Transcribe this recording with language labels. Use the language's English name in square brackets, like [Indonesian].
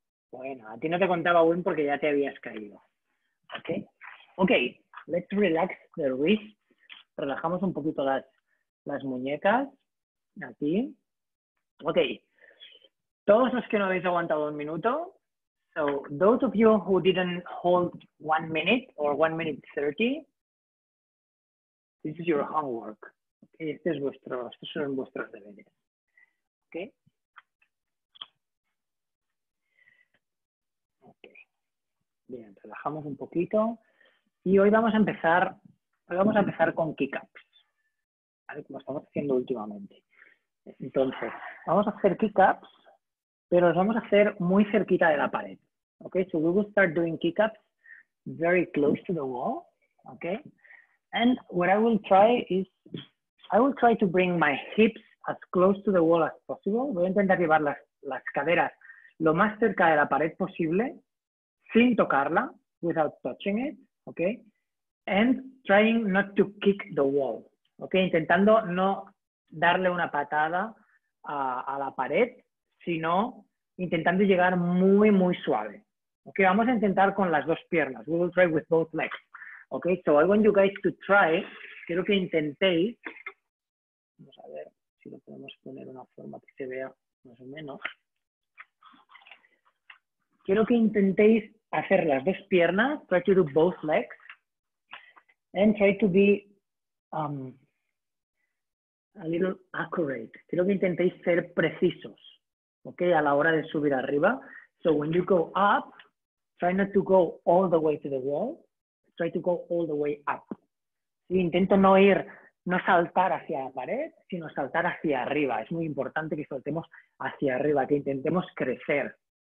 [Spanish] Bueno, a ti no te contaba aún porque ya te habías caído. [English] Okay. Ok, let's relax the wrist. [Spanish] Relajamos un poquito las muñecas. Aquí. Ok, todos los que no habéis aguantado 1 minuto. [English] So, those of you who didn't hold 1 minute or 1:30. This is your homework. [Spanish] Okay, este es vuestro, estos son vuestros deberes. [English] Okay. [Spanish] Okay. Bien, relajamos un poquito. Y hoy vamos a empezar. Hoy vamos a empezar con kick-ups. ¿Vale? Como estamos haciendo últimamente. Entonces, vamos a hacer kick-ups, pero los vamos a hacer muy cerquita de la pared. [English] Okay, so we will start doing kick-ups very close to the wall. Okay. And what I will try is, I will try to bring my hips as close to the wall as possible. [Spanish] Voy a intentar llevar las caderas lo más cerca de la pared posible, sin tocarla, [English] without touching it, okay? And trying not to kick the wall, okay? [Spanish] Intentando no darle una patada a la pared, sino intentando llegar muy, muy suave. Okay, vamos a intentar con las dos piernas. [English] We will try with both legs. Okay, so I want you guys to try. [Spanish] Quiero que intentéis. Vamos a ver si lo podemos poner de una forma que se vea más o menos. Quiero que intentéis hacer las dos piernas. [English] Try to do both legs. And try to be a little accurate. [Spanish] Quiero que intentéis ser precisos. Okay, a la hora de subir arriba. [English] So when you go up, try not to go all the way to the wall. Try to go all the way up. [Spanish] Sí, intento no ir, no saltar hacia la pared, sino saltar hacia arriba. Es muy importante que saltemos hacia arriba, que intentemos crecer.